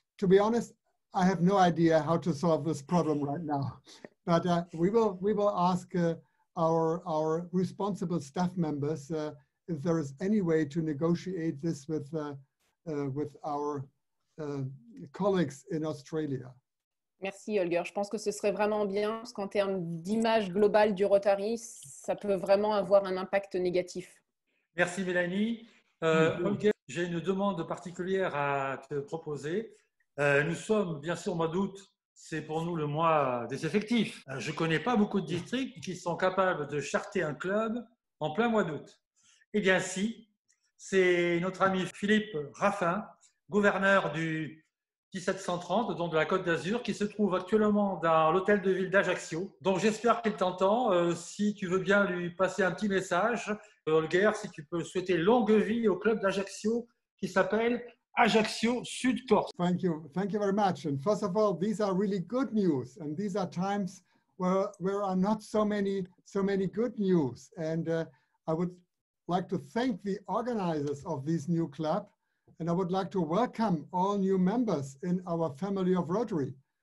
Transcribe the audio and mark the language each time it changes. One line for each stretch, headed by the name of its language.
English: To be honest, I have no idea how to solve this problem right now, but we will ask our responsible staff members if there is any way to negotiate this with our colleagues in Australia.
French: Merci, Holger. Je pense que ce serait vraiment bien, parce qu'en termes d'image globale du Rotary, ça peut vraiment avoir un impact négatif. Merci, Mélanie. Holger, j'ai une demande particulière à te proposer. Nous sommes, bien sûr, au mois d'août, c'est pour nous le mois des effectifs. Je ne connais pas beaucoup de districts qui sont capables de charter un club en plein mois d'août. Eh bien, si, c'est notre ami Philippe Raffin, gouverneur du 1730, donc de la Côte d'Azur, qui se trouve actuellement dans l'hôtel de ville d'Ajaccio. Donc j'espère qu'il t'entend. Si tu veux bien lui passer un petit message, Holger, si tu peux souhaiter longue vie au club d'Ajaccio qui s'appelle Ajaccio Sud Corse.
English: Thank you very much. And first of all, these are really good news. And these are times where are not so many good news. And I would like to thank the organizers of this new club. And I would like to welcome all new members in our family of Rotary.